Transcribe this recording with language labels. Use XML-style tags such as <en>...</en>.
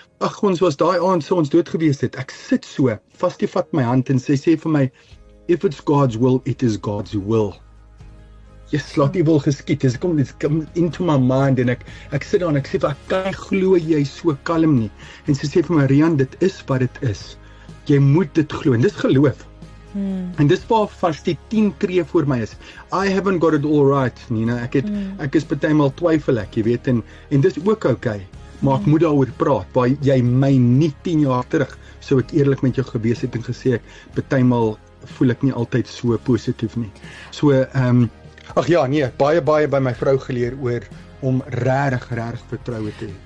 <af>Ag, ons was daai aand sou ons dood gewees het. Ek sit so, Vasthi vat my hand en sy sê vir my,</af> <en>if it's God's will, it is God's will.</en> <af>Yes, laat die wil geskied. Dis kom dit kom</af> <en>into my mind</en> <af>en ek sit daar en ek sê vir ek kan nie glo jy so kalm nie. En sy sê vir my, Rian, dit is wat dit is. Jy moet dit glo. En dis geloof. En dis waar Vasthi 10 tree voor my is.</af> <en>I haven't got it all right, Nina.</en> <af>Ek is partymal twyfel ek, jy weet, en dis ook okay. Maar ek moet daaroor praat. Waar jy my nie 10 jaar terug sou ek eerlik met jou gewees het en gesê ek partymal voel ek nie altyd so positief nie. So ag ja, nee, baie by my vrou geleer oor om regtig vertroue te hê.</af>